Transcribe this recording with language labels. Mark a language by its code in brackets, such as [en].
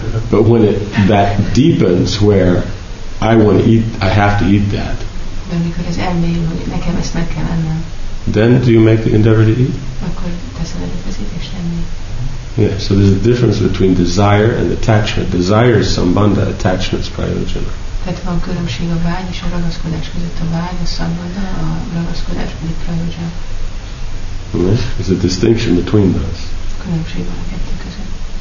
[en] But when that deepens where I want to eat, I have to eat that. [hu] De amikor ez elmélyül, hogy nekem ezt meg kell ennem. [en] Then do you make the endeavor to eat? [hu] Akkor teszel erőfeszítést enni. [en] Yeah, so there's a difference between desire and attachment. Desire is sambandha, attachment is prayojana. [hu] Tehát van különbség a vágy és a ragaszkodás között. A vágy, a sambandha, a ragaszkodás pedig prayojana. [en] There's a distinction between those. [hu] Különbség van a kettő között.